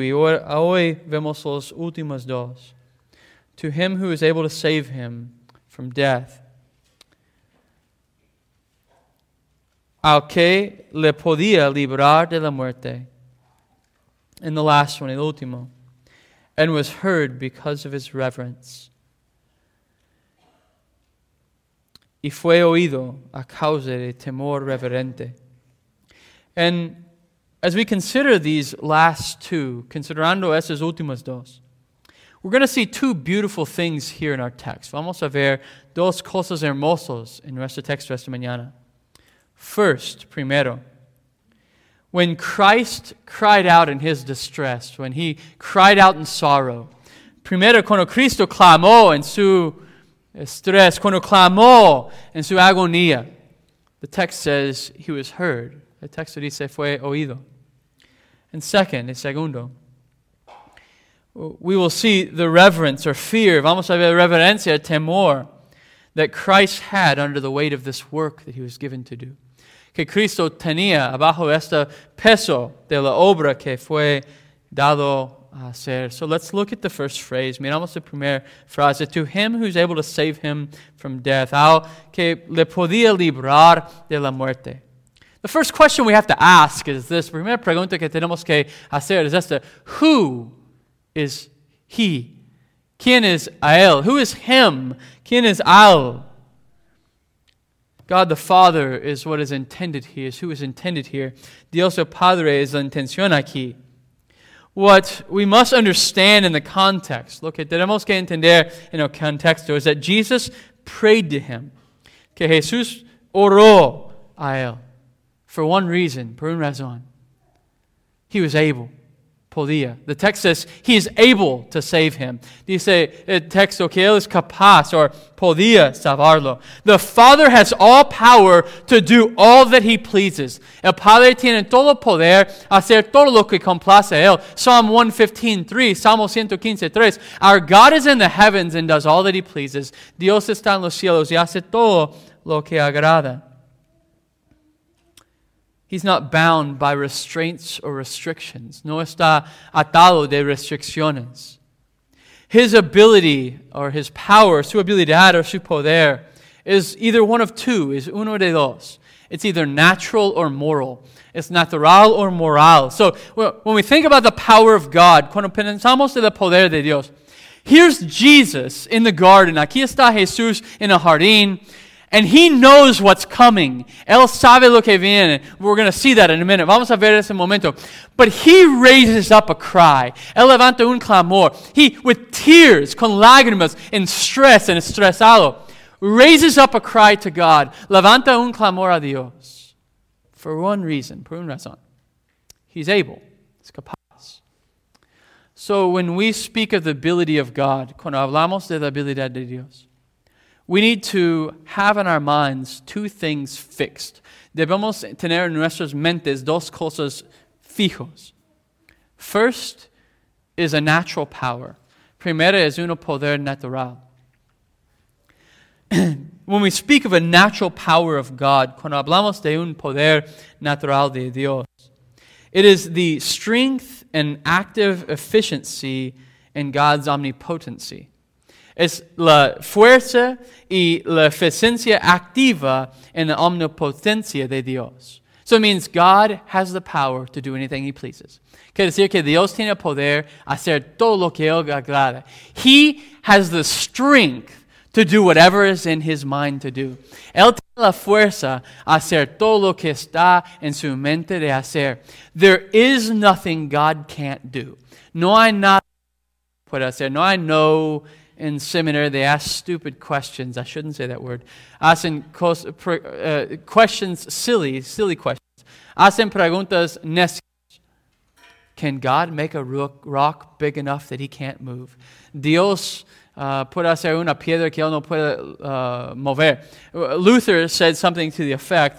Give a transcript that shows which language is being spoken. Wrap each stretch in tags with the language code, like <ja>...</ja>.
<es>Y hoy vemos los últimos dos.</es> <en>To him who is able to save him from death.</en> <es>Al que le podía librar de la muerte.</es> <en>And the last one,</en> <es>el último.</es> <en>And was heard because of his reverence.</en> <es>Y fue oído a causa de temor reverente.</es> <en>And as we consider these last two,</en> <es>considerando esas últimas dos,</es> <en>we're going to see two beautiful things here in our text.</en> <es>Vamos a ver dos cosas hermosas en nuestro texto esta mañana.</es> <en>First,</en> <es>primero,</es> <en>when Christ cried out in his distress, when he cried out in sorrow.</en> <es>Primero, cuando Cristo clamó en su estrés, cuando clamó en su agonía.</es> <en>The text says he was heard.</en> <es>El texto dice fue oído.</es> <en>And second,</en> <es>el segundo,</es> <en>we will see the reverence or fear,</en> <es>vamos a ver reverencia, temor,</es> <en>that Christ had under the weight of this work that he was given to do.</en> <es>Que Cristo tenía abajo este peso de la obra que fue dado a hacer.</es> <en>So let's look at the first phrase.</en> <es>Miramos la primera frase.</es> <en>To him who's able to save him from death.</en> <es>Al que le podía librar de la muerte.</es> <en>The first question we have to ask is this.</en> <es>Primera pregunta que tenemos que hacer es esta.</es> <en>Who is he?</en> <es>¿Quién es a él?</es> <en>Who is him?</en> <es>¿Quién es al?</es> <en>God the Father is what is intended here, is who is intended here.</en> <es>Dios el Padre es la intención aquí.</es> <en>What we must understand in the context,</en> <es>lo que tenemos que entender en el contexto,</es> <en>is that Jesus prayed to him,</en> <es>que Jesús oró a él,</es> <en>for one reason,</en> <es>por una razón.</es> <en>He was able,</en> <es>podía.</es> <en>The text says, he is able to save him.</en> <es>Dice el texto que él es capaz,</es> <en>or</en> <es>podía salvarlo.</es> <en>The Father has all power to do all that he pleases.</en> <es>El Padre tiene todo poder hacer todo lo que complace a él.</es> <en>Psalm 115:3. Our God is in the heavens and does all that he pleases.</en> <es>Dios está en los cielos y hace todo lo que agrada.</es> <en>He's not bound by restraints or restrictions.</en> <es>No está atado de restricciones.</es> <en>His ability or his power,</en> <es>su habilidad or su poder,</es> <en>is either one of two, is</en> <es>uno de dos.</es> <en>It's either natural or moral. It's natural or moral. So when we think about the power of God,</en> <es>cuando pensamos en el poder de Dios,</es> <en>here's Jesus in the garden.</en> <es>Aquí está Jesús en el jardín.</es> <en>And he knows what's coming.</en> <es>Él sabe lo que viene.</es> <en>We're going to see that in a minute.</en> <es>Vamos a ver ese momento.</es> <en>But he raises up a cry.</en> <es>Él levanta un clamor.</es> <en>He, with tears,</en> <es>con lágrimas, en stress, en estresado,</es> <en>raises up a cry to God.</en> <es>Levanta un clamor a Dios.</es> <en>For one reason,</en> <es>por una razón.</es> <en>He's able. He's capaz. So when we speak of the ability of God,</en> <es>cuando hablamos de la habilidad de Dios,</es> <en>we need to have in our minds two things fixed.</en> <es>Debemos tener en nuestras mentes dos cosas fijos.</es> <en>First is a natural power.</en> <es>Primera es un poder natural.</es> <en>When we speak of a natural power of God,</en> <es>cuando hablamos de un poder natural de Dios,</es> <en>it is the strength and active efficiency in God's omnipotency.</en> <es>Es la fuerza y la eficiencia activa en la omnipotencia de Dios.</es> <en>So it means God has the power to do anything he pleases.</en> <es>Quiere decir que Dios tiene poder hacer todo lo que él agrada.</es> <en>He has the strength to do whatever is in his mind to do.</en> <es>Él tiene la fuerza hacer todo lo que está en su mente de hacer.</es> <en>There is nothing God can't do.</en> <es>No hay nada que pueda hacer. No hay no...</es> <en>In seminary, they ask stupid questions. I shouldn't say that word. Hacen questions silly questions.</en> <es>Hacen preguntas necias.</es> <en>Can God make a rock big enough that he can't move?</en> <es>Dios puede hacer una piedra que él no puede mover.</es> <en>Luther said something to the effect.</en>